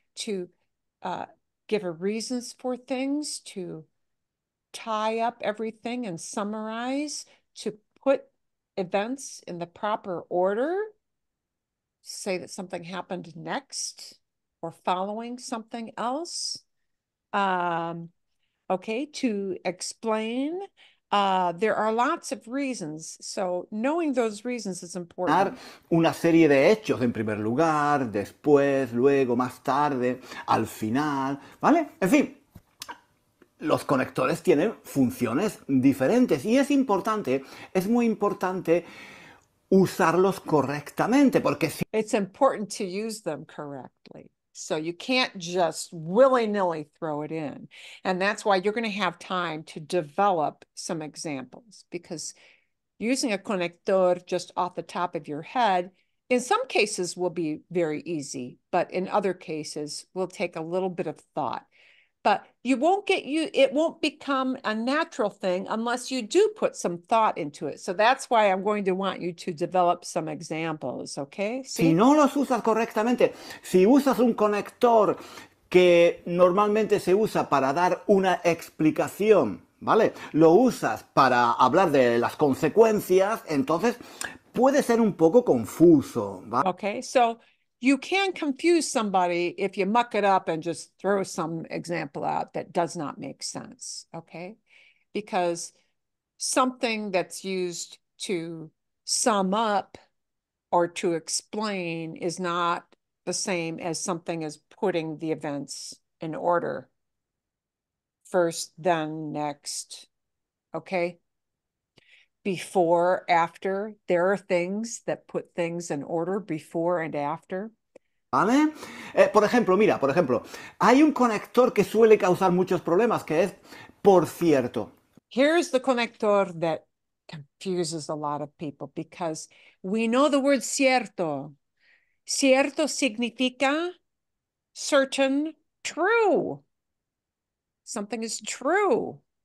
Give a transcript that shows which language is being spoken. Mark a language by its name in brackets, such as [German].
[English] To give a reasons for things, to tie up everything and summarize, to put events in the proper order, say that something happened next or following something else. Okay, to explain. There are lots of reasons, so knowing those reasons is important. [Spanish] Una serie de hechos en primer lugar, después, luego, más tarde, al final, ¿vale? En fin, Los conectores tienen funciones diferentes y es muy importante usarlos correctamente, porque si [English] It's important to use them correctly. So you can't just willy-nilly throw it in. And that's why you're going to have time to develop some examples, because using a conector just off the top of your head in some cases will be very easy, but in other cases will take a little bit of thought. But you won't get you, it won't become a natural thing unless you do put some thought into it. So that's why I'm going to want you to develop some examples, okay? [Spanish] Si no los usas correctamente, si usas un conector que normalmente se usa para dar una explicación, ¿vale? Lo usas para hablar de las consecuencias, entonces puede ser un poco confuso, ¿vale? [English] Okay, so you can confuse somebody if you muck it up and just throw some example out that does not make sense, okay? Because something that's used to sum up or to explain is not the same as something as putting the events in order. First, then, next, okay? Before, after, there are things that put things in order before and after. [Spanish] ¿Vale? Por ejemplo, mira, por ejemplo, hay un conector que suele causar muchos problemas, que es por cierto. [English] Here's the conector that confuses a lot of people because we know the word cierto. [Spanish] Cierto significa [English] certain, true. Something is true.